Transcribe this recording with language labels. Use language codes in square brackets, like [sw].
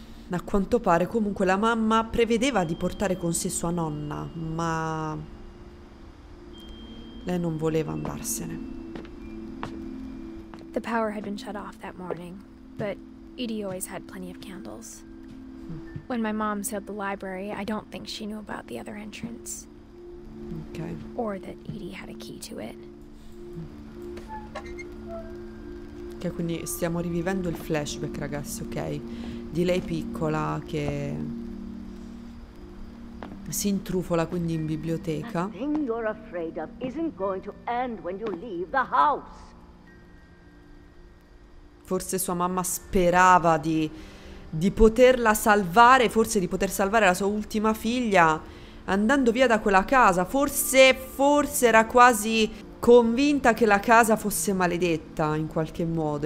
[it] A quanto pare, comunque, la mamma prevedeva di portare con sé sua nonna, ma lei non voleva andarsene. [en] The power had been shut off that morning, but Edie always had plenty of candles. When my mom sealed the library, I don't think she knew about the other entrance. Okay. Or that Edie had a key to it. [it] Ok, quindi stiamo rivivendo il flashback, ragazzi, ok? Di lei piccola che si intrufola quindi in biblioteca. [en] The thing you're afraid of isn't going to end when you leave the house. [it] Forse sua mamma sperava di poterla salvare, forse di poter salvare la sua ultima figlia andando via da quella casa. Forse era quasi convinta che la casa fosse maledetta in qualche modo.